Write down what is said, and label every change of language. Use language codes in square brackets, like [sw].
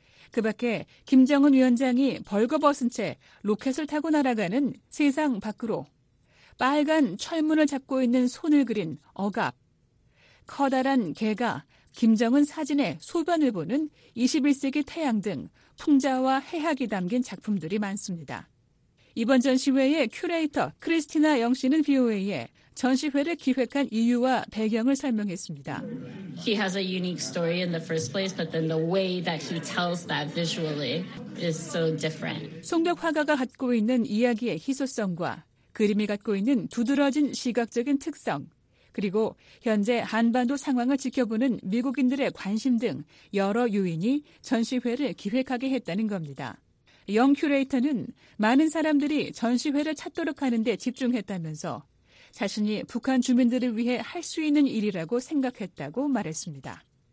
[ko] 그 밖에 김정은 위원장이 벌거벗은 채 로켓을 타고 날아가는 세상 밖으로 빨간 철문을 잡고 있는 손을 그린 억압, 커다란 개가 김정은 사진의 소변을 보는 21세기 태양 등 풍자와 해학이 담긴 작품들이 많습니다. 이번 전시회의 큐레이터 크리스티나 영 씨는 VOA에 전시회를 기획한 이유와 배경을 설명했습니다. [en] He has a unique story in the first place, but then the way that he tells that visually is so different. [ko] 송벽 화가가 갖고 있는 이야기의 희소성과 그림이 갖고 있는 두드러진 시각적인 특성, 그리고 현재 한반도 상황을 지켜보는 미국인들의 관심 등 여러 요인이 전시회를 기획하게 했다는 겁니다. 영 큐레이터는 많은 사람들이 전시회를 찾도록 하는 데 집중했다면서 자신이 북한 주민들을 위해 할 수 있는 일이라고 생각했다고 말했습니다.